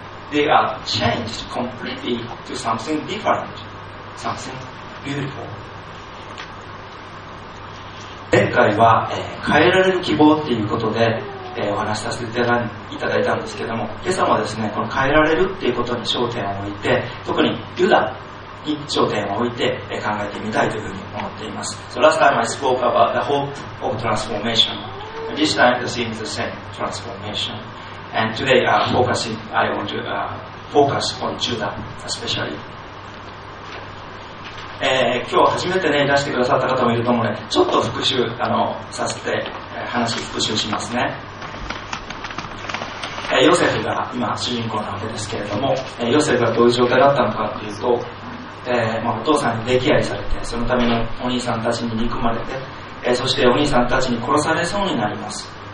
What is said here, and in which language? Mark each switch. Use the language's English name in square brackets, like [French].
[English] They are changed completely to something different, something beautiful. [Japanese] 前回は、変えられる希望っていうことで、お話しさせていただいたんですけども、今朝もですね、この変えられるっていうことに焦点を置いて、特にユダに焦点を置いて、考えてみたいというふうに思っています。 [English] So last time I spoke about the hope of transformation. This time the theme is the same, transformation. And today I want to focus on Judah especially. [Japanese] 今日初めてね、いらしてくださった方もいると思うので、ちょっと復習させて、話復習しますね。ヨセフが今主人公なわけですけれども、ヨセフがどういう状態だったのかというと、お父さんに溺愛されて、そのためのお兄さんたちに憎まれて、そしてお兄さんたちに殺されそうになります。